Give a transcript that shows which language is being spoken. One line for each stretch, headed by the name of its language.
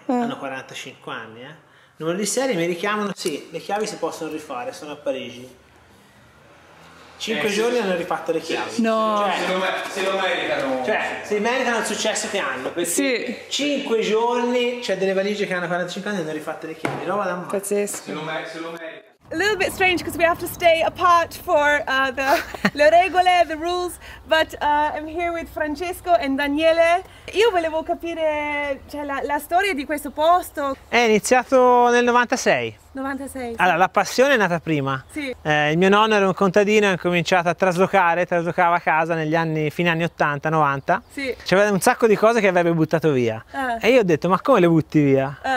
Italian: Hanno 45 anni, Numero di serie, mi richiamano. Sì, le chiavi si possono rifare, sono a Parigi. 5 giorni hanno rifatto le chiavi. No, cioè, se lo meritano. Cioè, se meritano il successo che hanno. Sì. 5 giorni, cioè delle valigie che hanno 45 anni hanno rifatto le chiavi. Roba da morire. Pazzesco. Se lo meritano.
English: A little bit strange because we have to stay apart for the
Italian: le regole,
English: the rules, but I'm here with Francesco and Daniele.
Italian: Io volevo capire, cioè, la storia di questo posto. È iniziato nel 96. 96, sì. Allora, la passione è nata prima. Sì. Il mio nonno era un contadino e ha cominciato a traslocava a casa negli anni, fine anni 80, 90. Sì. C'aveva un sacco di cose che avrebbe buttato via. E io ho detto, ma come le butti via?